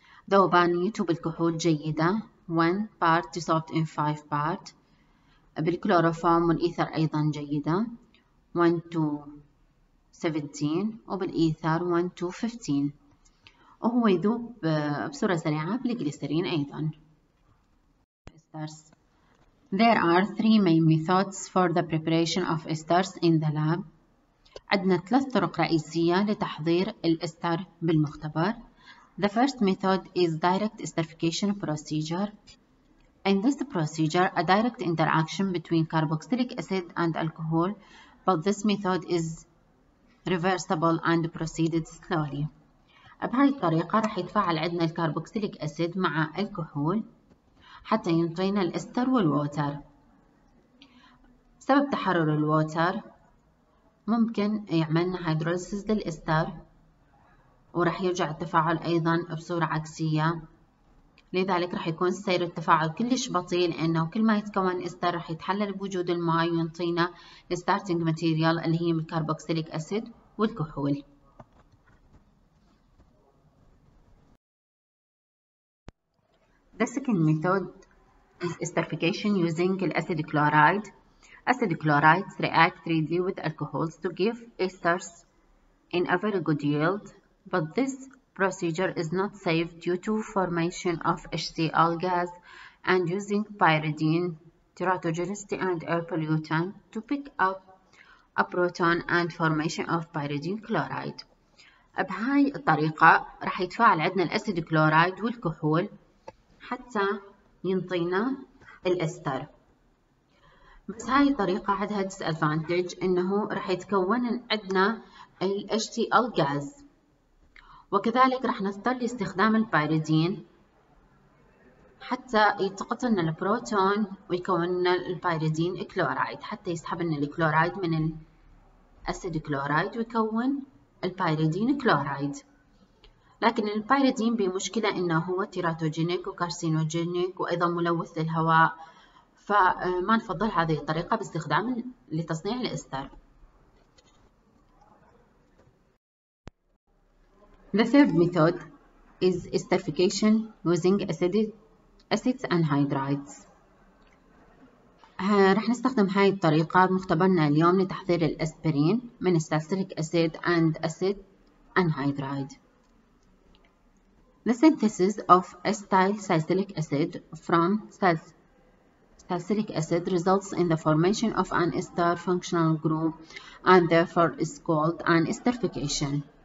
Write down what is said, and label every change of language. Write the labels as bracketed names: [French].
[Arabic] ذوبانيته بالكحول جيدة، [English] One part dissolved in 5 part. [Arabic] بالكلوروفورم والإيثر أيضا جيدة، 1 to 17، وبالإيثر 1 to 15، وهو يذوب بصورة سريعة بالجليسرين أيضا. [English] There are three main methods for the preparation of esters in the lab. [Arabic] عندنا ثلاث طرق رئيسية لتحضير الإستر بالمختبر. [English] The first method is direct esterification procedure. In this procedure, a direct interaction between carboxylic acid and alcohol, but this method is reversible and proceeded slowly. [Arabic] بهذه الطريقة راح يتفاعل عندنا الكربوكسيليك أسيد مع الكحول حتى ينطينا الإستر والووتر. سبب تحرر الووتر ممكن يعملنا هيدروليسيس للإستر، وراح يرجع التفاعل أيضا بصورة عكسية، لذلك راح يكون سير التفاعل كلش بطيء، لأنه كل ما يتكون إستر راح يتحلل بوجود الماء وينطينا الستارتنج ماتيريال اللي هي من الكربوكسيليك أسيد والكحول. [English] The second method is esterification using acid chloride. Acid chlorides react readily with alcohols to give esters in a very good yield, but this procedure is not safe due to formation of HCl gas and using pyridine, teratogenicity and air pollutant to pick up a proton and formation of pyridine chloride. [Arabic] بهاي الطريقة راح يتفاعل عندنا الأسيد كلورايد والكحول حتى ينطينا الإستر. بس هاي الطريقة عندها ديس ادفانتج انه راح يتكون عندنا ال HCl gas، وكذلك راح نضطر لاستخدام البايريدين حتى يتقطن البروتون ويكون لنا البايريدين كلورايد، حتى يسحب لنا الكلورايد من الاسيد كلورايد ويكون البايريدين كلورايد. لكن البايريدين بمشكلة انه هو تيراتوجينيك وكارسينوجينيك وايضا ملوث للهواء، فما نفضل هذه الطريقة باستخدام لتصنيع الإستر. [English] The third method is esterification using acids and hydrides. [Arabic] رح نستخدم هاي الطريقة بمختبرنا اليوم لتحضير الأسبرين من الساسيليك أسيد [English] and acid anhydride. The synthesis of acetyl salicylic acid from salicylic acid results in the formation of an ester functional group and therefore is called an esterification.